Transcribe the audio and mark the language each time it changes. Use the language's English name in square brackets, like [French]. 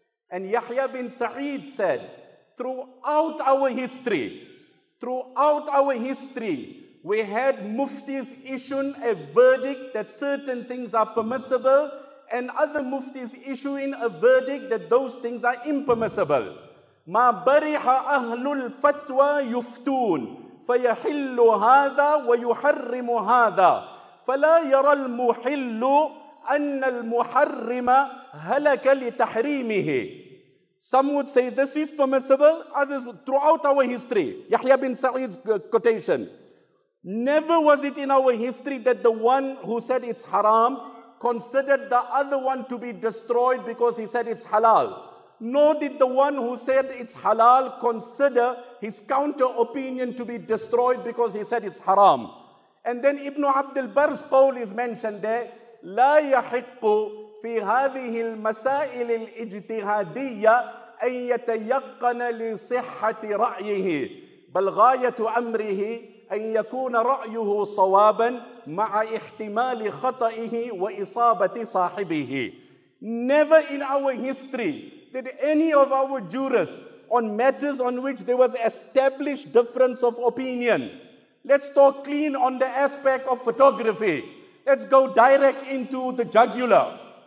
[English] And Yahya bin Sa'id said, throughout our history, we had muftis issuing a verdict that certain things are permissible and other muftis issuing a verdict that those things are impermissible. [Arabic] Ma bariha ahlul fatwa yuftun. فيحل هذا ويحرم هذا فلا يرى المحل أن المحرم هلك لتحريمه. [English] Some would say this is permissible, others throughout our history. Yahya bin Sa'id's quotation. Never was it in our history that the one who said it's haram considered the other one to be destroyed because he said it's halal. Nor did the one who said it's halal consider his counter opinion to be destroyed because he said it's haram. And then Ibn Abd al-Barr's qawl is mentioned there. [Arabic] لا يحق في هذه المسائل الاجتهادية أن يتيقن لصحة رأيه بل غاية أمره أن يكون رأيه صوابا مع احتمال خطئه وإصابة صاحبه. [English] Never in our history did any of our jurists on matters on which there was established difference of opinion. Let's talk clean on the aspect of photography. Let's go direct into the jugular.